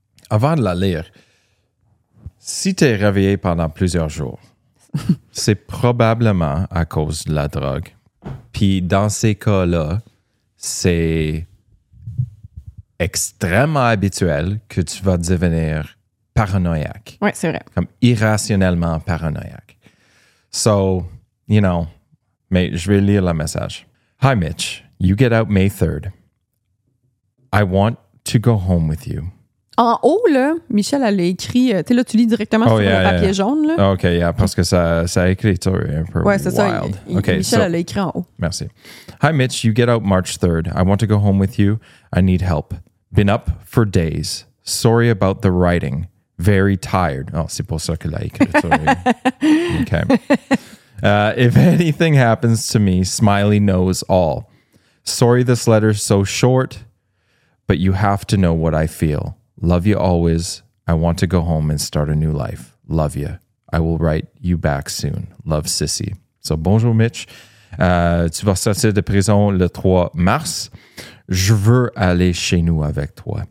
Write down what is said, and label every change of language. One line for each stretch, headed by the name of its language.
French: Avant de la lire, si tu es réveillé pendant plusieurs jours, c'est probablement à cause de la drogue. Puis dans ces cas-là, c'est extrêmement habituel que tu vas devenir paranoïaque. Oui, c'est vrai. Comme irrationnellement paranoïaque.
English: So, you know,
French: mais je vais lire le message.
English: Hi Mitch, you get out May 3rd. I want to go home with you.
French: En haut, là, Michel, elle a écrit... Tu sais, là, tu lis directement sur le papier jaune, là.
English: OK, yeah,
French: parce que ça a écrit un peu ouais, c'est
English: wild.
French: Michel, elle a écrit en haut. Merci.
English: Hi, Mitch. You get out March 3rd. I want to go home with you. I need help. Been up for days. Sorry about the writing. Very tired.
French: Oh, c'est pour ça que elle a écrit.
English: Okay. If anything happens to me, Smiley knows all. Sorry this letter's so short, but you have to know what I feel. Love you always. I want to go home and start a new life. Love you. I will write you back soon. Love, Sissy. So,
French: bonjour,
English: Mitch.
French: Tu vas sortir de prison le 3 mars. Je veux aller chez nous avec toi.